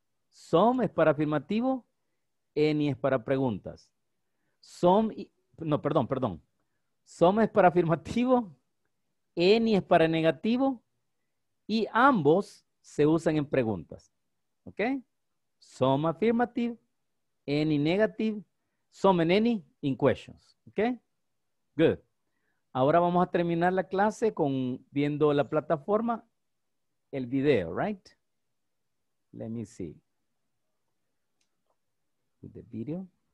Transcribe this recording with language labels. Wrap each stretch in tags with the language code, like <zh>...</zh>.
<es>Some es para afirmativo, any es para preguntas. Some, no, perdón, perdón. Some es para afirmativo, any es para negativo, y ambos se usan en preguntas. ¿Ok?</es> <en>Some affirmative, any negative, some and any in questions. ¿Ok? Good.</en> <es>Ahora vamos a terminar la clase con viendo la plataforma, el video,</es> <en>right? Let me see. with the video.</en>